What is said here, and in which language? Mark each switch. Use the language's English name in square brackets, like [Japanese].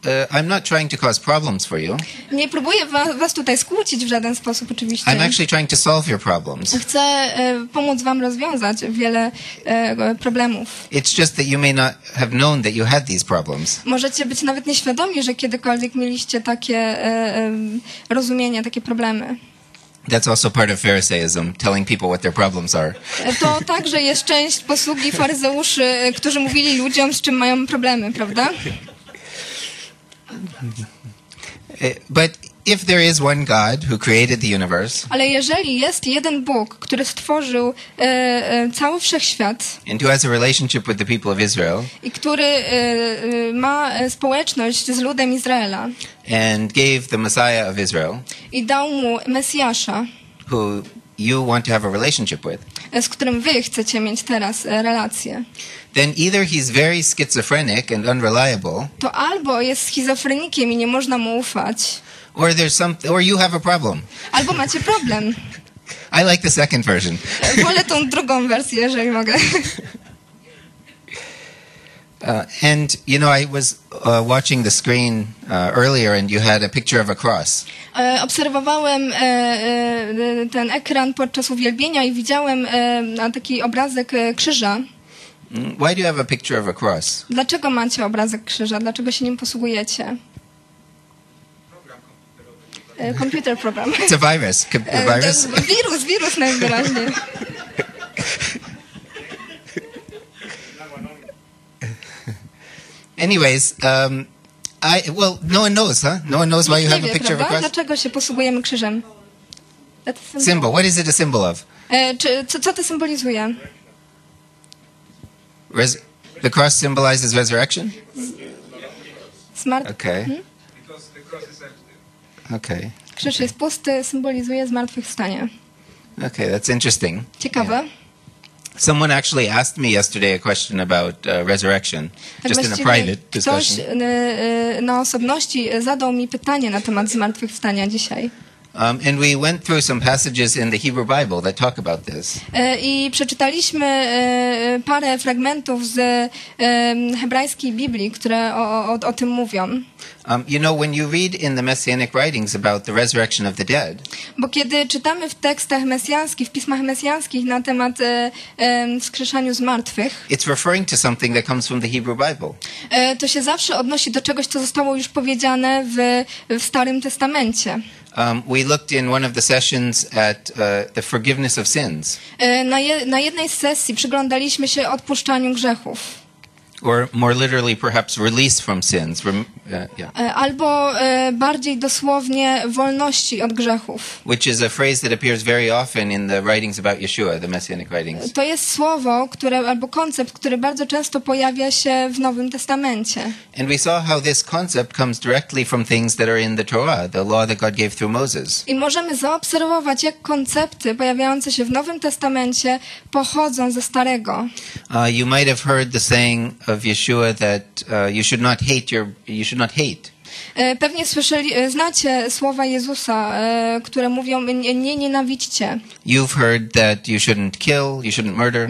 [English] I'm not trying to cause problems for you. [Polish] Nie próbuję was tutaj skłócić w żaden sposób, oczywiście. [English] I'm actually trying to solve your problems. [Polish] Chcę pomóc wam rozwiązać wiele problemów. [English] It's just that you may not have known that you had these problems. [Polish] Możecie być nawet nieświadomi, że kiedykolwiek mieliście takie rozumienie, takie problemy. [English] That's also part of Pharisaism, telling people what their problems are. [Polish] To także jest część posługi faryzeuszy, którzy mówili ludziom, z czym mają problemy, prawda? [English] But if there is one God who created the universe, [Polish] ale jeżeli jest jeden Bóg, który stworzył cały wszechświat, [English] and who has a relationship with the people of Israel, [Polish] i który ma społeczność z ludem Izraela, [English] and gave the Messiah of Israel, [Polish] i dał mu Mesjasza, [English] who you want to have a relationship with, [Polish] z którym wy chcecie mieć teraz relację. [English] Then either he's very schizophrenic and unreliable. [Polish] To albo jest schizofrenikiem i nie można mu ufać. [English] Or there's something, or you have a problem. [Polish] Albo macie problem. [English] I like the second version. [Polish] Wolę tą drugą wersję, jeżeli mogę. [English] I was watching the screen earlier and you had a picture of a cross. [Polish] Obserwowałem ten ekran podczas uwielbienia i widziałem taki obrazek krzyża. [English] Why do you have a picture of a cross? [Polish] Dlaczego macie obrazek krzyża? Dlaczego się nim posługujecie? [English] Computer program. It's a virus. Virus? [Polish] Wirus najwyraźniej. [English] Anyways, Well, no one knows, huh? No one knows why you have a picture, [Polish] prawda, [English] of a cross. [Polish] Dlaczego się posługujemy krzyżem? [English] Symbol. What is it a symbol of? [Polish] Co to symbolizuje? [English] The cross symbolizes resurrection? Smart. Okay. Hmm? Okay. [Polish] Krzyż jest pusty, symbolizuje zmartwychwstanie. [English] Okay, that's interesting. [Polish] Ciekawe. Yeah. [English] Someone actually asked me yesterday a question about resurrection, [Polish] tak [English] just in a private discussion. [Polish] Ktoś na osobności zadał mi pytanie na temat zmartwychwstania dzisiaj. [English] And we went through some passages in the Hebrew Bible that talk about this. [Polish] I przeczytaliśmy parę fragmentów z hebrajskiej Biblii, które o tym mówią. [English] You know, when you read in the messianic writings about the resurrection of the dead. [Polish] Bo kiedy czytamy w tekstach mesjańskich, w pismach mesjańskich na temat wskrzeszania zmartwych. [English] It's referring to something that comes from the Hebrew Bible. [Polish] To się zawsze odnosi do czegoś, co zostało już powiedziane w Starym Testamencie. [English] We looked in one of the sessions at the forgiveness of sins. [Polish] Na jednej z sesji przyglądaliśmy się odpuszczaniu grzechów. [English] Or more literally, perhaps release from sins. [Polish] Albo bardziej dosłownie wolności od grzechów. [English] Which is a phrase that appears very often in the writings about Yeshua, the messianic writings. [Polish] To jest słowo, które albo koncept, który bardzo często pojawia się w Nowym Testamencie. [English] And we saw how this concept comes directly from things that are in the Torah, the law that God gave through Moses. [Polish] I możemy zaobserwować, jak koncepty pojawiające się w Nowym Testamencie pochodzą ze Starego. [English] You might have heard the saying of Yeshua that you should not hate. [Polish] Pewnie słyszeli, znacie słowa Jezusa, które mówią nie nienawidźcie. [English] You've heard that you shouldn't kill, you shouldn't murder.